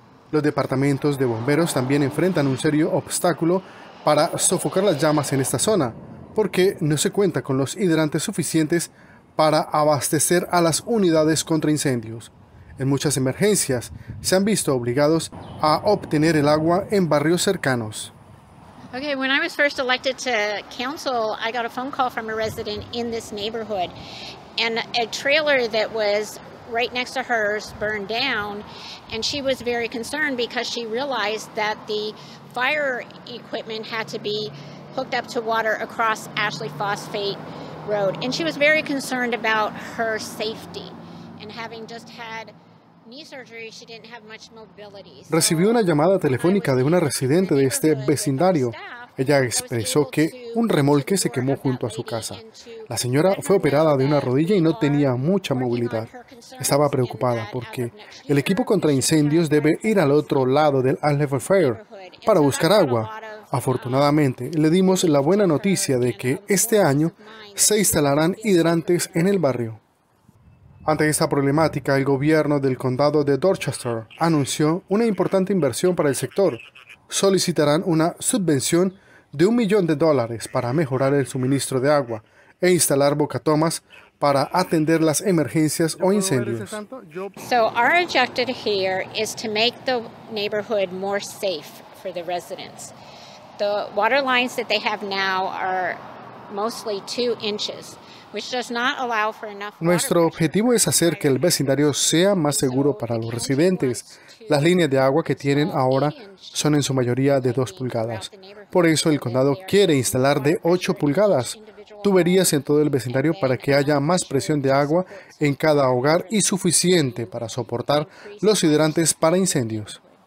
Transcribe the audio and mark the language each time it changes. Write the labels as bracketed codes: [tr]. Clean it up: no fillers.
[es] Los departamentos de bomberos también enfrentan un serio obstáculo para sofocar las llamas en esta zona, porque no se cuenta con los hidrantes suficientes para abastecer a las unidades contra incendios. En muchas emergencias se han visto obligados a obtener el agua en barrios cercanos. [en] Okay, when I was first elected to council, I got a phone call from a resident in this neighborhood, and a trailer that was right next to hers burned down, and she was very concerned because she realized that the fire equipment had to be hooked up to water across Ashley Phosphate Road, and she was very concerned about her safety, and having just had knee surgery, she didn't have much mobility. [es] Recibió una llamada telefónica de una residente de este vecindario. Ella expresó que un remolque se quemó junto a su casa. La señora fue operada de una rodilla y no tenía mucha movilidad. Estaba preocupada porque el equipo contra incendios debe ir al otro lado del Alley Fire para buscar agua. Afortunadamente, le dimos la buena noticia de que este año se instalarán hidrantes en el barrio. Ante esta problemática, el gobierno del condado de Dorchester anunció una importante inversión para el sector. Solicitarán una subvención de $1 millón para mejorar el suministro de agua e instalar bocatomas para atender las emergencias o incendios. [en] So our objective here is to make the neighborhood more safe for the residents. The water lines that they have now are mostly 2 inches, which does not allow for enough. [es] Nuestro objetivo es hacer que el vecindario sea más seguro para los residentes. Las líneas de agua que tienen ahora son en su mayoría de 2 pulgadas. Por eso el condado quiere instalar de 8 pulgadas, tuberías en todo el vecindario para que haya más presión de agua en cada hogar y suficiente para soportar los hidrantes para incendios.